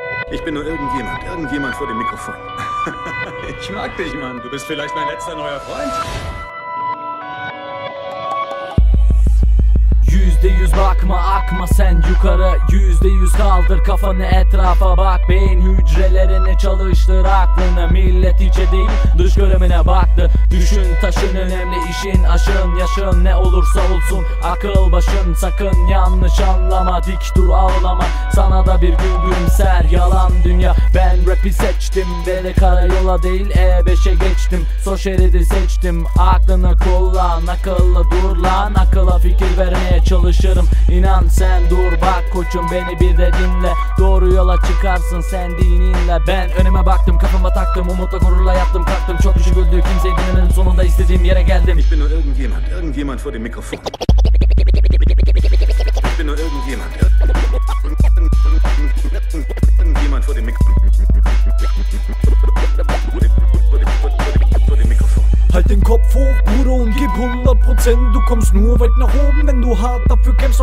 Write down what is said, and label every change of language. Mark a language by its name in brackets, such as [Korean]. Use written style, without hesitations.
[German] Ich bin nur irgendjemand. Irgendjemand vor dem Mikrofon. Ich mag dich, Mann. Du bist vielleicht mein letzter neuer Freund. [Turkish] %100 bakma akma sen yukarı %100 kaldır kafanı etrafa bak. Beyin hücrelerini çalıştır aklını. Millet içe değil dış göremine baktı. Düşün taşın önemli işin aşın. Yaşın ne olursa olsun akıl başın. Sakın yanlış anlama dik dur ağlama. Sana da bir gün gülümser yalan dünya. Ben rapi seçtim ve de karayola değil E5'e geçtim. Sol şeridi seçtim aklını kullan. Akıllı dur lan akıla fikir vermeye çalış. İnan sen dur bak koçum beni bir de dinle. Doğru yola çıkarsın sen dininle. Ben önüme baktım kafama taktım. Umutla gururla yattım kalktım. Çok düşük öldü kimseyi dinlemedim. Sonunda istediğim yere geldim. [German] Ich bin nur irgendjemand. Irgendjemand vor dem Mikrofon. Ich bin nur irgendjemand. Irgendjemand vor dem Mikrofon. Halt den Kopf hoch, Bruder, und gib 100%. Du kommst nur weit nach oben, wenn du hart dafür kämpfst.